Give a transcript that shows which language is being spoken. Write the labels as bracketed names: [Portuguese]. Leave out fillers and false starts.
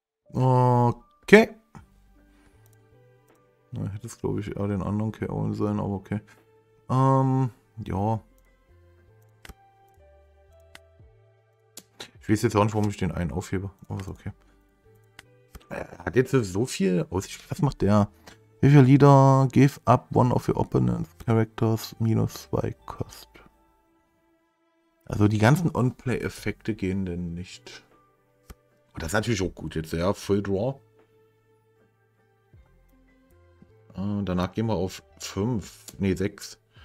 [German] Okay. Hätte es, glaube ich, eher den anderen K.O. sein, aber okay. Ja. Ich weiß jetzt auch nicht, warum ich den einen aufhebe. Aber ist okay. Er hat jetzt so viel Aussicht. Was macht der? [English] If your leader give up one of your opponent's characters minus 2 cost. [German] Also die ganzen On-Play-Effekte gehen denn nicht. Und das ist natürlich auch gut jetzt, ja. [English] Full Draw. [German] Danach gehen wir auf 5, nee, 6.